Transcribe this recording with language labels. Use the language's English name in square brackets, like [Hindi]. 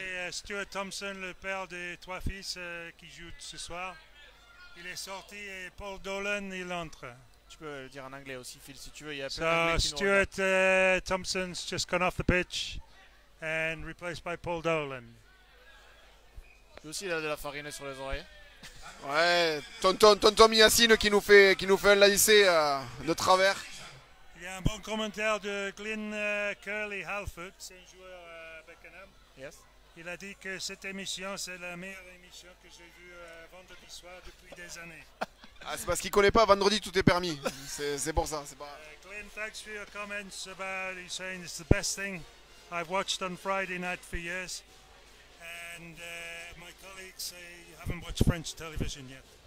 [French] Stuart Thompson, le père des trois fils qui jouent ce soir, il est sorti et Paul Dolan, il entre. Tu peux le dire en anglais aussi, Phil, si tu veux. Il y a [English] so, Stuart Thompson's just gone off the pitch and replaced by Paul Dolan. [French] Lui aussi, il a de la farine sur les oreilles. Ouais, tonton Yacine qui nous fait un lycée de travers. Il y a un bon commentaire de Glenn Curley Halford, c'est un joueur à Beckenham. [English] Yes. [French] Il a dit que cette émission, c'est la meilleure émission que j'ai vue vendredi soir depuis des années. Ah, c'est parce qu'il ne connaît pas, vendredi tout est permis. C'est pour ça. C'est pas... [English] Glenn, thanks for your comments about you saying it's the best thing I've watched on Friday night for years. And my colleagues say you haven't watched French television yet.